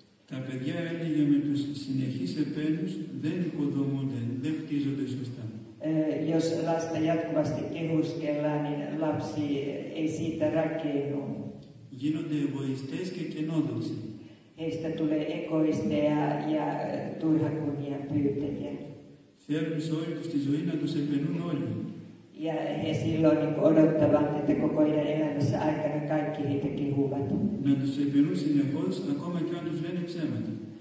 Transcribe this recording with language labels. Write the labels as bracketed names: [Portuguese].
[Greek] Τα παιδιά, έλεγε, με τους συνεχείς επένους δεν οικοδομούνται, δεν χτίζονται σωστά. [Finnish] Jos lasta jatkuvasti kehuskellaan, niin lapsi ei siitä rakennu. [Greek] Γίνονται εγωιστές και κενόδοξοι. [Finnish] Heistä tulee egoisteja ja turhakunnia pyytäjiä. [Greek] Θέλουν σε όλη τους τη ζωή να τους επενούν όλοι. [Finnish] Ja he silloin odottavat, että koko heidän elämässä aikana kaikki heitä kehuvat. [Greek] Να τους επινούν συνεχώς, ακόμα και αν τους λένε ψέματα.